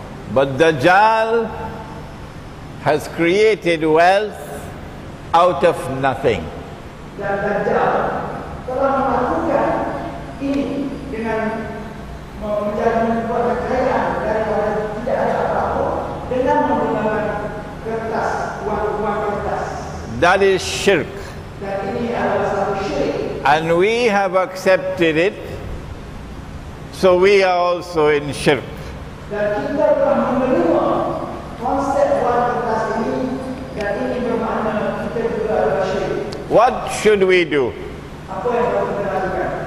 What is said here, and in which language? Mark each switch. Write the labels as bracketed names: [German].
[English] But Dajjal has created wealth out of nothing. [Malay] Dan Dajjal telah melakukan ini dengan membuat kekayaan dari orang tidak ada apa-apa dengan menggunakan kertas, uang kertas. [English] That is shirk. [Malay] Dan ini adalah satu syirik. [English] And we have accepted it, so we are also in shirk. [Malay] Dan kita telah menerima konsep wang kertas ini, dan ini bermakna kita juga adalah syirik. [English] What should we do? [Malay] Apa yang perlu kita lakukan?